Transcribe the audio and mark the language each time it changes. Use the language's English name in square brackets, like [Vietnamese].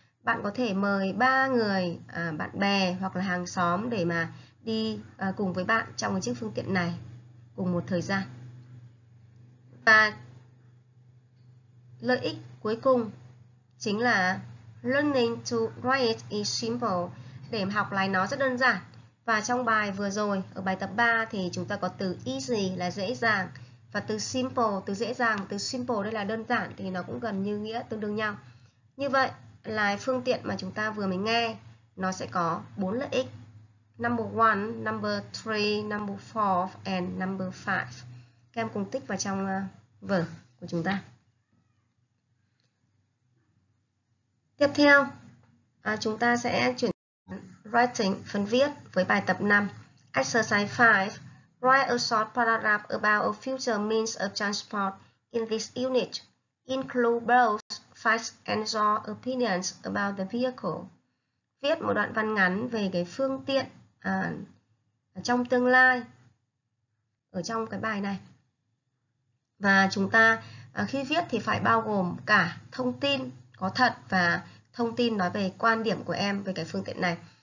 [Vietnamese] Bạn có thể mời ba người, bạn bè hoặc là hàng xóm để mà đi cùng với bạn trong chiếc phương tiện này cùng một thời gian. Và lợi ích cuối cùng chính là [English] learning to ride is simple. [Vietnamese] Để học lái nó rất đơn giản. Và trong bài vừa rồi, ở bài tập 3 thì chúng ta có từ easy là dễ dàng. Và từ simple, từ dễ dàng, từ simple đây là đơn giản thì nó cũng gần như nghĩa tương đương nhau. Như vậy, lái phương tiện mà chúng ta vừa mới nghe, nó sẽ có 4 lợi ích. [English] Number 1, number 3, number 4 and number 5. [Vietnamese] Các em cùng tích vào trong vở của chúng ta. Tiếp theo, chúng ta sẽ chuyển writing phần viết với bài tập 5. [English] Exercise 5. Write a short paragraph about a future means of transport in this unit. Include both facts and your opinions about the vehicle. [Vietnamese] Viết một đoạn văn ngắn về cái phương tiện trong tương lai ở trong cái bài này. Và chúng ta khi viết thì phải bao gồm cả thông tin có thật và thông tin nói về quan điểm của em về cái phương tiện này.